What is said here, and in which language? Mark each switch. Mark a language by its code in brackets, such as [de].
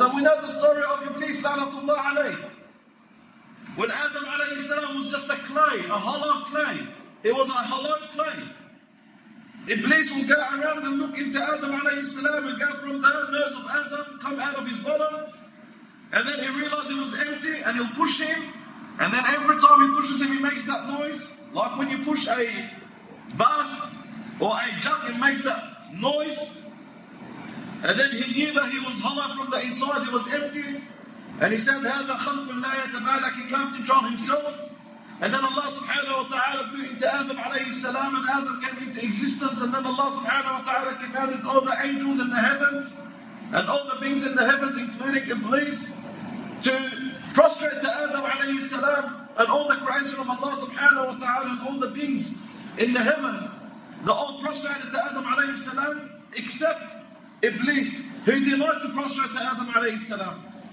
[en] And we know the story of Iblis la'natullah alayhi. When Adam alayhi salam was just a clay, a hollow clay, he was a hollow clay, Iblis would go around and look into Adam alayhi salam and go from the nose of Adam, come out of his bottom, and then he realized he was empty, and he'll push him. And then every time he pushes him, he makes that noise. Like when you push a vase or a jug, it makes that noise. And then he knew that he was hollow from the inside, he was empty. And he said, [ar] هَذَا خَلْقٌ لَا يَتَبَالَكِ. [en] He came to draw himself. And then Allah subhanahu wa ta'ala blew into Adam alayhi salam, and Adam came into existence. And then Allah subhanahu wa ta'ala commanded all the angels in the heavens and all the beings in the heavens, including Iblis, to prostrate to Adam alayhi salam, and all the creation of Allah subhanahu wa ta'ala and all the beings in the heaven, they all prostrated to Adam alayhi salam, except Iblis, who denied to prostrate to Adam alayhi salam.